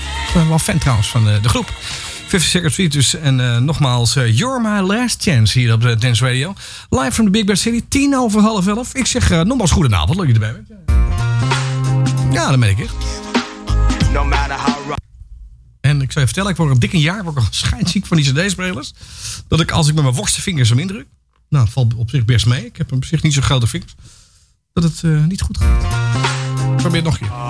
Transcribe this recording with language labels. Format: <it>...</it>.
<nl>Ik ben wel fan trouwens van de groep. 50 Second Street dus. En nogmaals, You're My Last Chance hier op de Dance Radio.</nl> <en>Live from the Big Bear City, 10:50.</en> <nl>Ik zeg nogmaals goedenavond, leuk je erbij bent. Ja, dat merk ik.</nl> <en>No matter how rough.</en> <nl>En ik zou je vertellen, ik word al dik een jaar schijnziek van die cd-spelers. Dat ik als ik met mijn worste vingers hem indruk. Nou, valt op zich best mee. Ik heb op zich niet zo grote vingers. Dat het niet goed gaat. Probeer het nog een keer.</nl>